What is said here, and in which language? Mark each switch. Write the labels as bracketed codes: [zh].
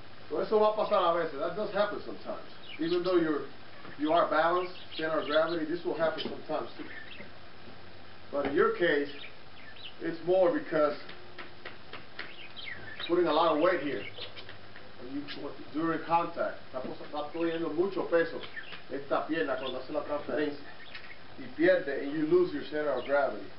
[en] So [es] eso va a pasar a veces. [en] That does happen sometimes. Even though you are balanced, center of gravity, this will happen sometimes too. But in your case, it's more because putting a lot of weight here. And you want to, during contact. [es] Está poniendo mucho peso esta pierna cuando hace la transferencia. Y pierde, [en] and you lose your center of gravity.